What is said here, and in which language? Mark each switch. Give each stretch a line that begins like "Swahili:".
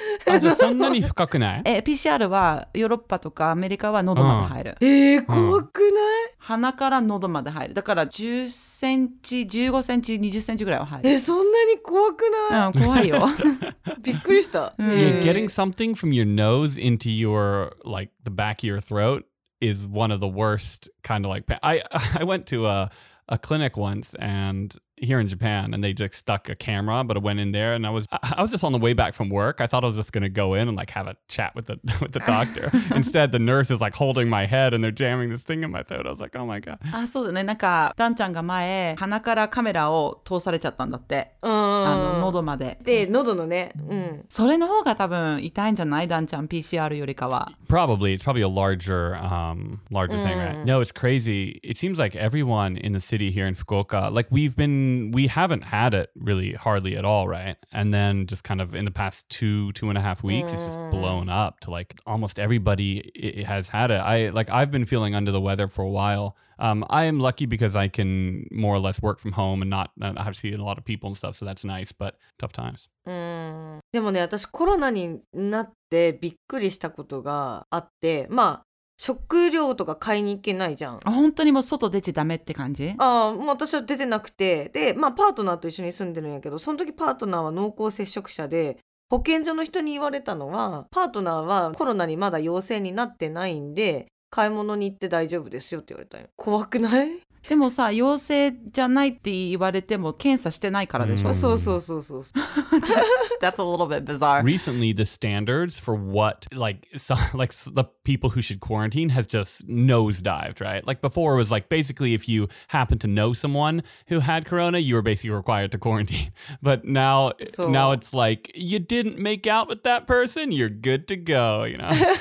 Japanese: あ、じゃあそんなに深くない？え、PCR はヨーロッパとかアメリカは喉まで入る。うん、怖くない？鼻から喉まで入る。だから10センチ、15センチ、20センチぐらいは入る。え、そんなに怖くない？うん、怖いよ。びっくりした。
English: You're getting something from your nose into your, like, the back of your throat. Is one of the worst kind of like pain. I went to a clinic once and here in Japan and they just stuck a camera but I went in there and I was just on the way back from work. I thought I was just going to go in and like have a chat with the doctor. Instead the nurse is like holding my head and they're jamming this thing in my throat. I was like, oh my god.
Japanese: あ、そうだね。なんかダンちゃんが前鼻からカメラを通されちゃったんだって。あの喉まで。で、喉のね。うん。それの方が多分痛いんじゃない？ダンちゃん PCR よりかは。
English: Probably. It's probably a larger thing, right? No, it's crazy. It seems like everyone in the city here in Fukuoka, like we've been we haven't had it really hardly at all, right? And then just kind of in the past two and a half weeks, it's just blown up to like almost everybody has had it. I've been feeling under the weather for a while. I am lucky because I can more or less work from home and not have seen a lot of people and stuff, so that's nice, but tough times.
Japanese: でもね、私コロナになってびっくりしたことがあって、まあ食料とか買いに行けないじゃん。あ、本当にもう外出ちゃダメって感じ？ああ、もう私は出てなくて、で、まあパートナーと一緒に住んでるんやけど、その時パートナーは濃厚接触者で、保健所の人に言われたのは、パートナーはコロナにまだ陽性になってないんで、買い物に行って大丈夫ですよって言われたよ。怖くない？でもさ、陽性じゃないって言われても検査してないからでしょ？そうそうそうそう。
English: That's a little bit bizarre. Recently, the standards for what, like, so, like the people who should quarantine has just nosedived, right? Like before, it was like, basically, if you happen to know someone who had corona, you were basically required to quarantine. But now, so, now it's like, you didn't make out with that person, you're good to go, you know?